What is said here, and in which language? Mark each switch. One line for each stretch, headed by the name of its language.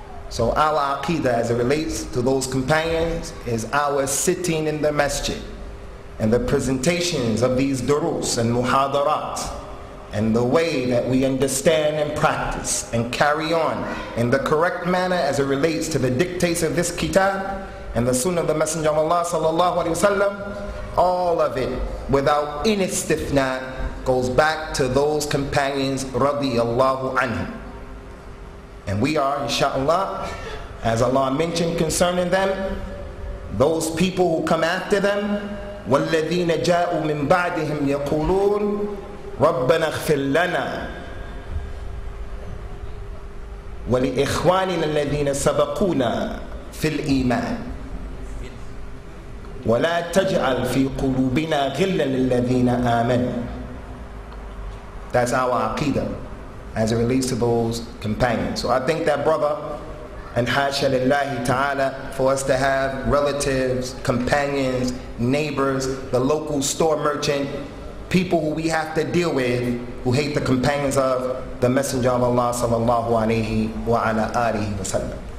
English: So our aqidah as it relates to those companions is our sitting in the masjid and the presentations of these durus and muhadarat, and the way that we understand and practice and carry on in the correct manner as it relates to the dictates of this kitab and the sunnah of the Messenger of Allah sallallahu alayhi wa sallam, all of it without any istithna goes back to those companions radiyallahu anhum. And we are, inshallah, as Allah mentioned concerning them, those people who come after them,
Arabic: وَالَّذِينَ جَاءُوا مِن بَعْدِهِمْ يَقُولُونَ رَبَّنَا اغْفِرْ لَنَا وَلِإِخْوَانِنَا الَّذِينَ سَبَقُونَا فِي الْإِيمَانِ وَلَا تَجْعَلْ فِي قُلُوبِنَا غِلًّا لِلَّذِينَ آمَنُوا.
English: That's our aqidah as it relates to those companions. So I thank that brother, and hasha lillahi ta'ala, for us to have relatives, companions, neighbors, the local store merchant, people who we have to deal with who hate the companions of the Messenger of Allah sallallahu alayhi wa ala alihi wa sallam.